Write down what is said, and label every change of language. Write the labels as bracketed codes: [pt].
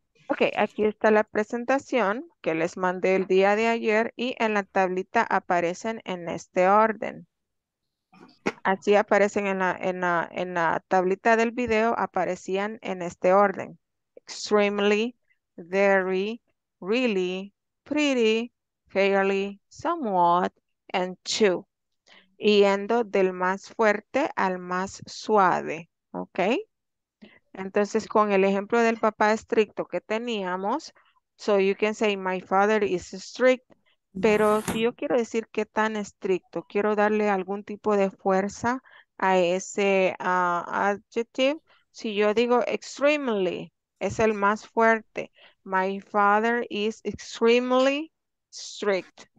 [es] Ok, aquí está la presentación que les mandé el día de ayer y en la tablita aparecen en este orden. Así aparecen en la tablita del video, aparecían en este orden. [en] Extremely, very, really, pretty, fairly, somewhat, and too. [es] Yendo del más fuerte al más suave, ¿ok? Entonces, con el ejemplo del papá estricto que teníamos, [en] so you can say, my father is strict, [es] pero si yo quiero decir qué tan estricto, quiero darle algún tipo de fuerza a ese adjective, si yo digo extremely, es el más fuerte, [en] my father is extremely strict.